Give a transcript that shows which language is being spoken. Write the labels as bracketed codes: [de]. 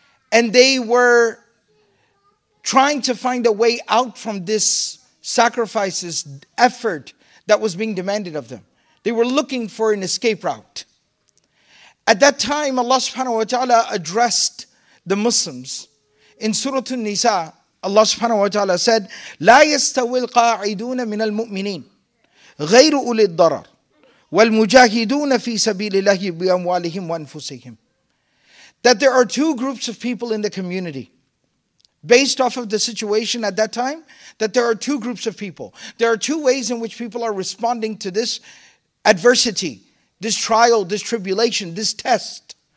[en] And they were trying to find a way out from this sacrifice, this effort that was being demanded of them. They were looking for an escape route. At that time, Allah subhanahu wa ta'ala addressed the Muslims. In Surah An-Nisa, Allah subhanahu wa ta'ala said, [ar] لَا يَسْتَوِي الْقَاعِدُونَ مِنَ الْمُؤْمِنِينَ غَيْرُ أُولِي الضَّرَرِ وَالْمُجَاهِدُونَ فِي سَبِيلِ اللَّهِ بِأَمْوَالِهِمْ وَأَنفُسِهِمْ. [en] That there are two groups of people in the community, based off of the situation at that time, that there are two groups of people. There are two ways in which people are responding to this adversity, this trial, this tribulation, this test.